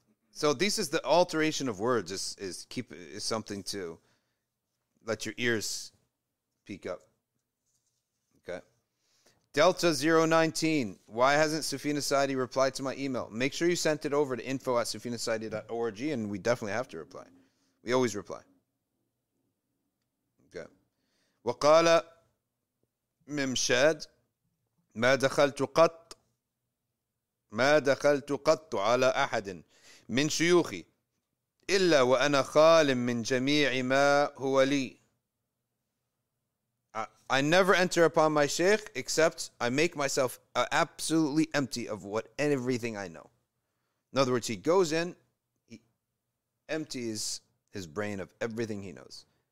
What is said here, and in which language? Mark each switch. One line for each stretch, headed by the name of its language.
English: So this is the alteration of words is something to let your ears peek up. Okay. Delta 019. Why hasn't Safina Saidi replied to my email? Make sure you sent it over to info@safinasaidi.org and we definitely have to reply. We always reply. Okay.
Arabic: وقال ممشاد ما دخلت قط على أحد من شيوخي إلا وأنا خال من جميع ما هو لي.
English: I never enter upon my sheikh except I make myself absolutely empty of what everything I know. In other words, he goes in, he empties his brain of everything he knows.